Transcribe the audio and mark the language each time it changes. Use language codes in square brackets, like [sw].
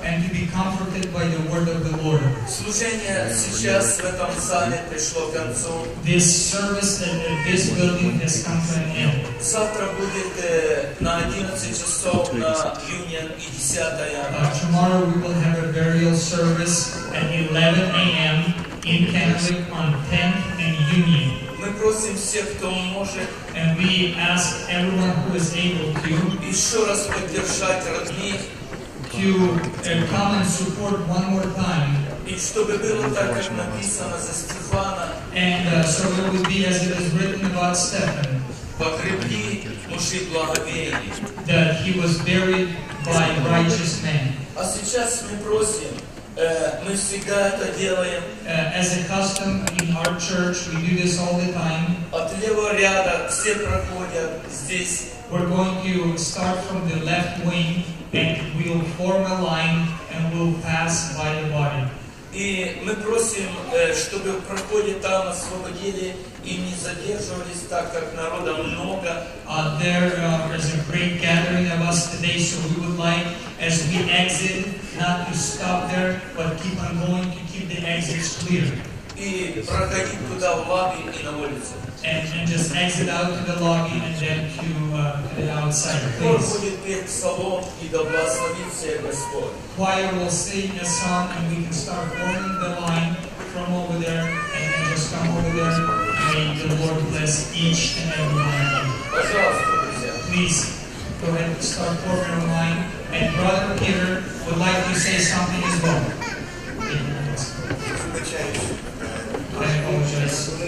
[en] And to be comforted by the word of the Lord. [ru] Служение сейчас в этом зале пришло к концу. [en] This service in this building has come to an end. [ru] Завтра будет на 11 часов на Union и 10-я. [en] Tomorrow we will have a burial service at 11 a.m. in Kennewick on 10th and Union. [ru] Мы просим всех, кто может, [en] and we ask everyone who is able to [ru] еще раз поддержать родных, [en] to come and support one more time. [ru] И чтобы было так, как написано за Стефана, [en] and so it would be as it is written about Stephen. [ru] Покрепи мужи благовеяния. [en] That he was buried by a righteous man. [ru] А сейчас мы просим. Мы всегда это делаем. [en] As a custom in our church, we do this all the time. [ru] От левого ряда все проходят здесь. [en] We're going to start from the left wing, and we'll form a line, and we'll pass by the body. [ru] И мы просим, чтобы проходили там, освободили, и не задерживались, так как народа много. [en] There is a great gathering of us today, so we would like, as we exit, not to stop there, but keep on going to keep the exits clear. [ru] И проходить туда в лобби и на улице. [en] And just exit out to the lobby and then to the outside, please. [ru] Будет петь псалом и да благословит всех Господь. [en] Choir will sing a song and we can start forming the line from over there and then just come over there. May the Lord bless each and every one of you. [ru] Пожалуйста, друзья. [en] Please. go ahead and start forming a line. And Brother Peter would like to say something as well. I apologize.